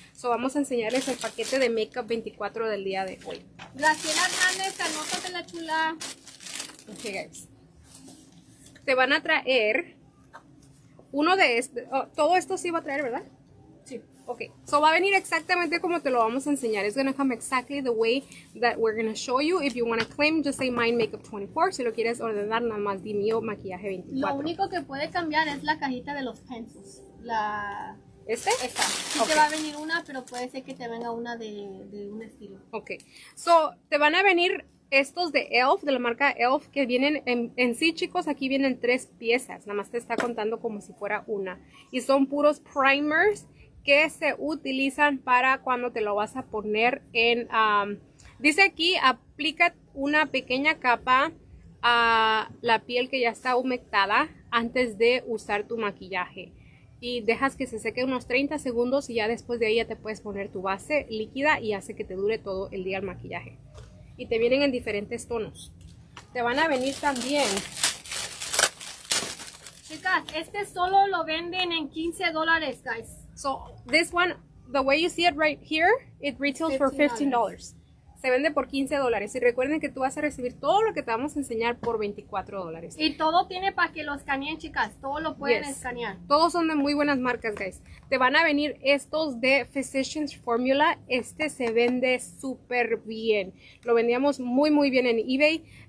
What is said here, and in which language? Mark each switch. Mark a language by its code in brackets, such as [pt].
[es] So vamos a enseñarles el paquete de makeup 24 del día de hoy. Graciela Hernández, anótate la chula. Ok, guys. Te van a traer uno de este. Oh, todo esto sí va a traer, ¿verdad? Ok, so va a venir exactamente como te lo vamos a enseñar. [en] It's going to come exactly the way that we're going to show you. If you want to claim, just say Mine Makeup 24. [es] Si lo quieres ordenar, nada más di mío maquillaje 24. Lo único que puede cambiar es la cajita de los pencils. ¿Este? Esta. Sí, okay. Te va a venir una, pero puede ser que te venga una de un estilo. Ok, so te van a venir estos de e.l.f., de la marca e.l.f., que vienen en sí, chicos, aquí vienen 3 piezas. Nada más te está contando como si fuera una. Y son puros primers que se utilizan para cuando te lo vas a poner en, dice aquí, aplica una pequeña capa a la piel que ya está humectada antes de usar tu maquillaje. Y dejas que se seque unos 30 segundos y ya después de ahí ya te puedes poner tu base líquida y hace que te dure todo el día el maquillaje. Y te vienen en diferentes tonos. Te van a venir también. Chicas, este solo lo venden en $15, guys. [en] So, this one, the way you see it right here, it retails for $15. [es] Se vende por $15. Y recuerden que tú vas a recibir todo lo que te vamos a enseñar por $24. Y todo tiene para que lo escaneen, chicas. Todo lo pueden escanear. Todos son de muy buenas marcas, guys. Te van a venir estos de Physician's Formula. Este se vende súper bien. Lo vendíamos muy, muy bien en eBay.